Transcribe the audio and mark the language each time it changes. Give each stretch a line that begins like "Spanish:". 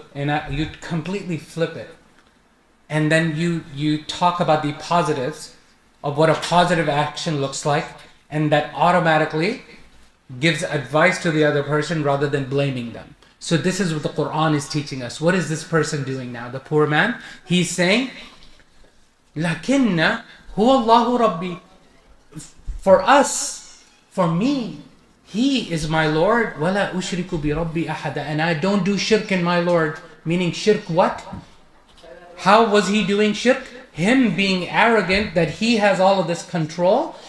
English: And you'd completely flip it. And then you talk about the positives of what a positive action looks like, and that automatically gives advice to the other person rather than blaming them. So this is what the Quran is teaching us. What is this person doing now? The poor man. He's saying,
Arabic: لَكِنَّ هُوَ اللَّهُ رَبِّي.
English: For us, for me, he is my Lord.
Arabic: وَلَا أُشْرِكُ بِرَبِّي أَحَدًا.
English: And I don't do shirk in my Lord. Meaning shirk what? How was he doing shirk? Him being arrogant that he has all of this control.